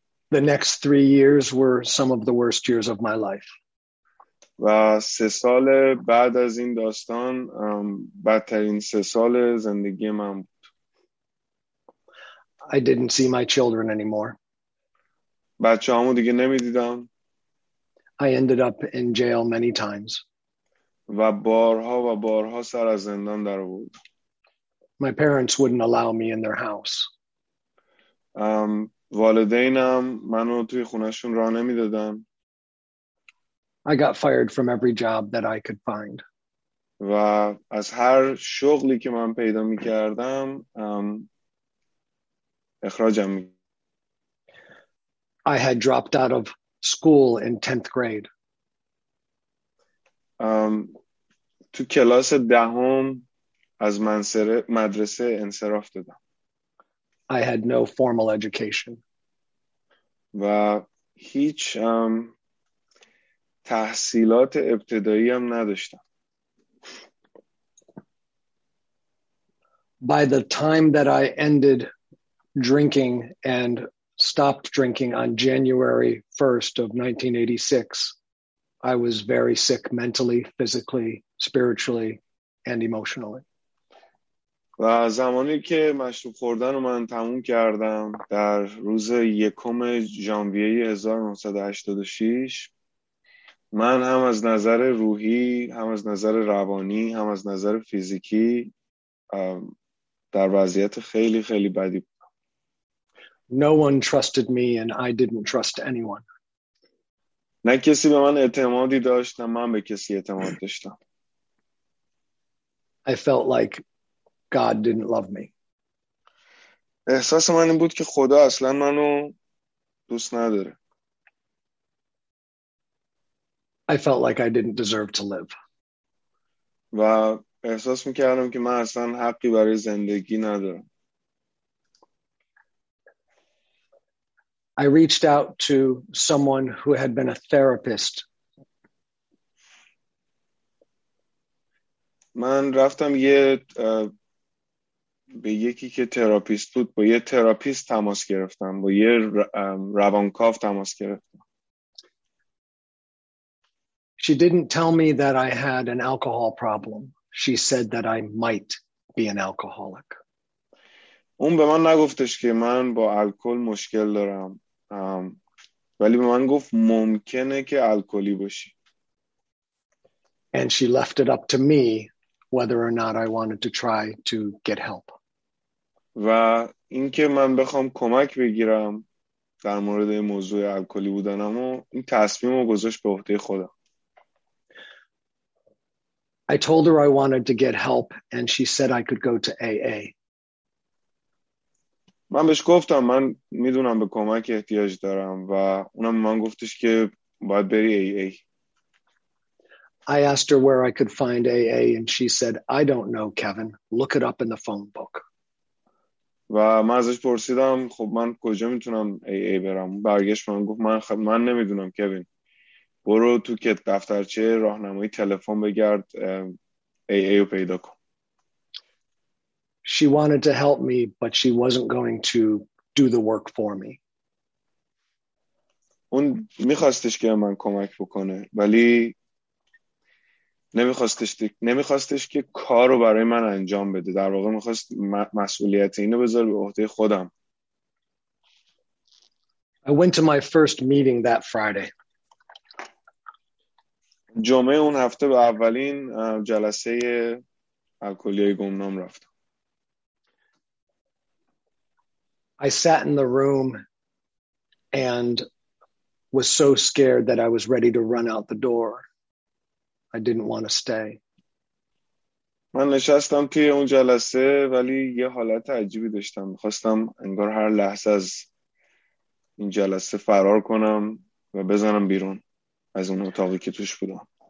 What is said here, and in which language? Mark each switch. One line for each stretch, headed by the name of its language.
English: The next 3 years were some of the worst years of my life.
Persian: و 3 سال بعد از این داستان بدترین 3 سال زندگی من بود.
English: I didn't see my children anymore.
Persian: بچه‌هامو دیگه نمی‌دیدم.
English: I ended up in jail many times.
Persian: و بارها و بارها سر از زندان در بود.
English: My parents wouldn't allow me in their house.
Persian: والدینم منو توی خونه‌شون راه نمی‌دادن.
English: I got fired from every job that I could find.
Persian: و از هر شغلی که من پیدا می‌کردم اخراجم می‌کردن.
English: I had dropped out of school in 10th grade.
Persian: تو کلاس دهم از مدرسه انصراف دادم.
English: I had no formal education.
Persian: و هیچ تحصیلات ابتدایی هم نداشتم.
English: By the time that I ended drinking and stopped drinking on January 1st of 1986. I was very sick mentally, physically, spiritually, and emotionally.
Persian: و زمانی که مشروب خوردن رو من تموم کردم در روز یکم ژانویه 1986 من هم از نظر روحی، هم از نظر روانی، هم از نظر فیزیکی در وضعیت خیلی خیلی بدی بود.
English: No one trusted me and I didn't trust anyone.
Persian: نه کسی به من اعتمادی داشت نه من به کسی اعتماد داشتم.
English: I felt like God didn't love me.
Persian: احساس من این بود که خدا اصلا منو دوست نداره.
English: I felt like I didn't deserve to live.
Persian: و احساس میکردم که من اصلا حقی برای زندگی ندارم.
English: I reached out to someone who had been a therapist.
Persian: من رفتم به یکی که تراپیست بود، با یه تراپیست تماس گرفتم، با یه روانکاو تماس گرفتم.
English: She didn't tell me that I had an alcohol problem. She said that I might be an alcoholic.
Persian: اون به من نگفتش که من با الکل مشکل دارم. ولی به من گفت ممکنه که الکلی باشی.
English: And she left it up to me whether or not I wanted to try to get help.
Persian: و اینکه من بخوام کمک بگیرم در مورد موضوع الکلی بودنم و این تصمیم رو گذاشت به عهده خودم.
English: I told her I wanted to get help and she said I could go to AA.
Persian: من بهش گفتم من میدونم به کمک احتیاج دارم و اونم من گفتش که باید بری AA.
English: I asked her where I could find AA and she said I don't know Kevin, look it up in the phone book.
Persian: و من ازش پرسیدم خب من کجا میتونم AA برم؟ برگشت من گفت من نمیدونم کوین. برو تو کت دفترچه راهنمایی تلفن بگرد AA رو پیدا کن.
English: She wanted to help me, but she wasn't going to do the work for me.
Persian: اون میخواستش که من کمک بکنه، ولی نمیخواستش که کار رو برای من انجام بده، در واقع میخواست مسئولیت اینو بذاره به عهده خودم.
English: I went to my first meeting that Friday.
Persian: جمعه اون هفته به اولین جلسه الکلیای گمنام رفتم.
English: I sat in the room and was so scared that I was ready to run out the door. I didn't want to stay.
Persian: من نشستم توی اون جلسه ولی یه حالت عجیبی داشتم. خواستم انگار هر لحظه از این جلسه فرار کنم و بزنم بیرون از اون اتاقی که توش بودم.